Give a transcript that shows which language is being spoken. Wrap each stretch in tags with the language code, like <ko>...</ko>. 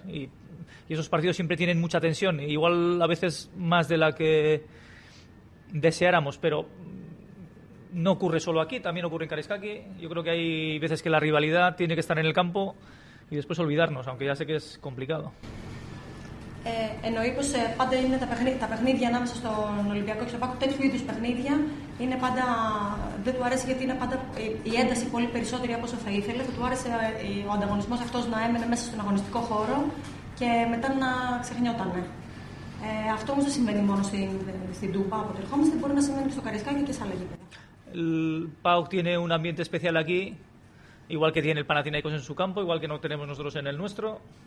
<es>Y esos partidos siempre tienen mucha tensión, igual a veces más de la que deseáramos, pero no ocurre solo aquí, también ocurre en Kariskaki. Yo creo que hay veces que la rivalidad tiene que estar en el campo y después olvidarnos, aunque ya sé que es complicado.</es> <el>Εννοεί πως πάντα είναι τα παιχνίδια ανάμεσα στον Ολυμπιακό και στον ΠΑΟΚ, τέτοιου είδους παιχνίδια είναι πάντα, δεν του αρέσει γιατί είναι πάντα η ένταση πολύ περισσότερη από όσο θα ήθελε. Θα του άρεσε ο ανταγωνισμός αυτός να έμενε μέσα στον αγωνιστικό χώρο και μετά να ξεχνιότανε. Αυτό όμως δεν συμβαίνει μόνο στην Τούμπα που ερχόμαστε, μπορεί να συμβαίνει και στο Καρισκάκι και σε άλλα γήπεδα.</el> <es>ΠΑΟΚ tiene un ambiente especial aquí, igual que tiene el Panathinaikos en su campo, igual que no tenemos nosotros en el nuestro.</es>